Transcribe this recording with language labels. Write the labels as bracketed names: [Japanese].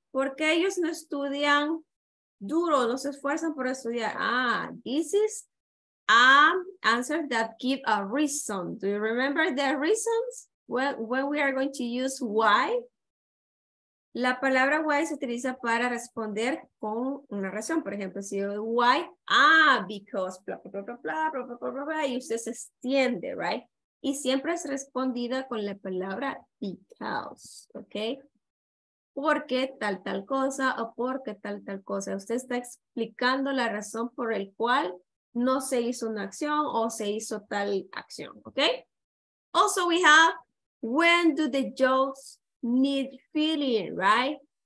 [Spanish] ¿Por qué ellos no estudian duro, no se esfuerzan por estudiar? [English] Ah, this is answers that give a reason. Do you remember the reasons? When we are going to use why? [Spanish] La palabra why se utiliza para responder con una razón. Por ejemplo, si yo why, because, blah, blah, blah, blah, blah, blah, blah, blah, blah, y usted se extiende, right? Y siempre es respondida con la palabra because, okay? Porque tal, tal cosa, o porque tal, tal cosa. Usted está explicando la razón por el cual no se hizo una acción o se hizo tal acción, okay? [English] Also we have, when do the jobs need filling, right?